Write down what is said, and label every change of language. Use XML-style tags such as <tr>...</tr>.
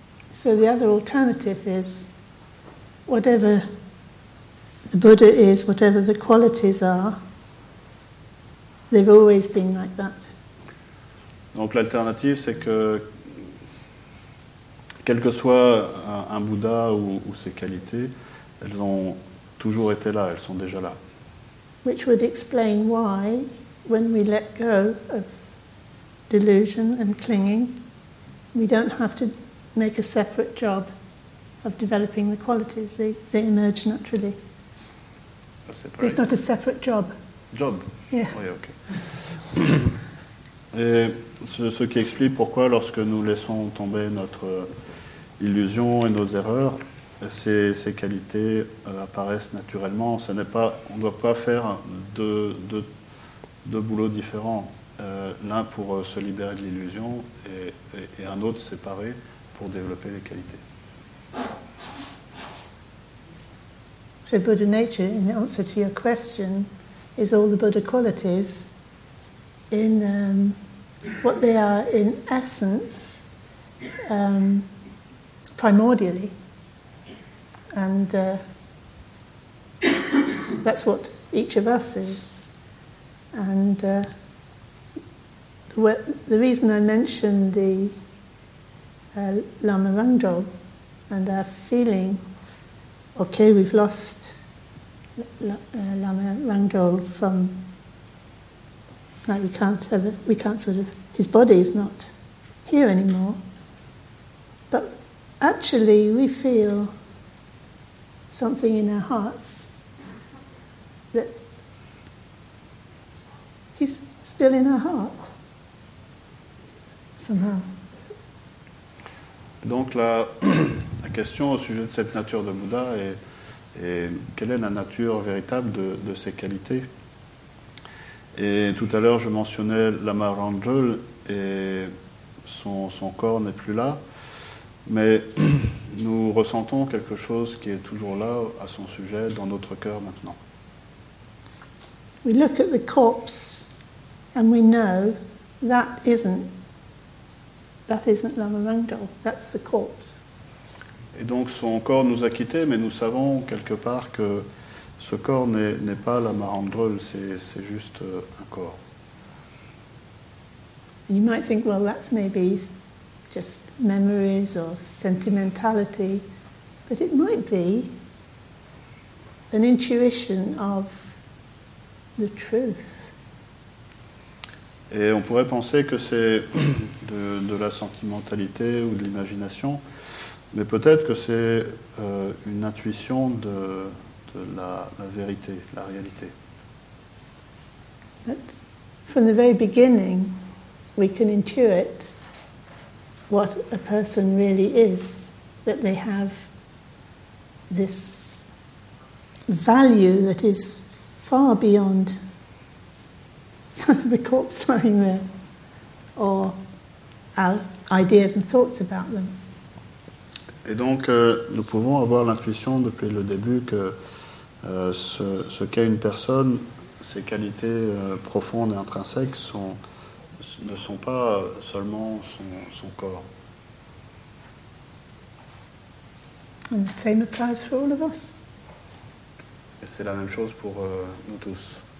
<en>So the other alternative is whatever the Buddha is, whatever the qualities are, they've always been like that.</en> <fr>Donc l'alternative, c'est que quel que soit un Bouddha ou ses qualités, elles ont toujours été là, elles sont déjà là.</fr> <en>Which would explain why, when we let go of delusion and clinging, we don't have to make a separate job of developing the qualities, they emerge naturally. It's not a separate job. Job? Yeah.</en> <fr>Oui, ok. Et ce qui explique pourquoi, lorsque nous laissons tomber notre illusion et nos erreurs, ces qualités apparaissent naturellement. Ce n'est pas, on ne doit pas faire deux boulots différents. L'un pour se libérer de l'illusion et un autre séparé pour développer les qualités.</fr> <en>So Buddha nature, in answer to your question, is all the Buddha qualities in what they are in essence, primordially, and that's what each of us is. And the reason I mentioned the Lama Rangdrol and our feeling, okay, we've lost Lama Rangdrol from, like, his body is not here anymore. But actually, we feel something in our hearts that he's still in our heart, somehow.</en> <fr>Donc là. La question au sujet de cette nature de Bouddha est quelle est la nature véritable de ses qualités. Et tout à l'heure, je mentionnais Lama Rangdrol et son corps n'est plus là, mais nous ressentons quelque chose qui est toujours là à son sujet dans notre cœur maintenant.</fr> <en>We look at the corpse and we know that isn't Lama Rangdrol, that's the corpse.</en> <fr>Et donc son corps nous a quittés, mais nous savons quelque part que ce corps n'est pas Lama Rangdrol, c'est juste un corps.</fr> <en>You might think, well, that's maybe just memories or sentimentality, but it might be an intuition of the truth.</en> <fr>Et on pourrait penser que c'est de la sentimentalité ou de l'imagination, mais peut-être que c'est une intuition de la vérité, la réalité.</fr> <en>From the very beginning, we can intuit what a person really is, that they have this value that is far beyond the corpse lying there, or our ideas and thoughts about them.</en> <fr>Et donc, nous pouvons avoir l'intuition depuis le début que ce qu'est une personne, ses qualités profondes et intrinsèques ne sont pas seulement son corps.</fr> <en>And the same applies for all of us.</en> <fr>Et c'est la même chose pour nous tous.</fr>